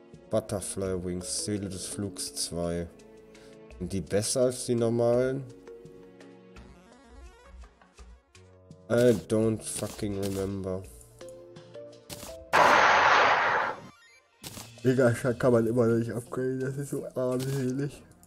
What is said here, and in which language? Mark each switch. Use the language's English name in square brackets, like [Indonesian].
[German] Butterfly Wings, Seele des Flugs 2. Sind die besser als die normalen? [English] I don't fucking remember. [German] Mega kann man immer noch nicht upgraden, das ist so armselig.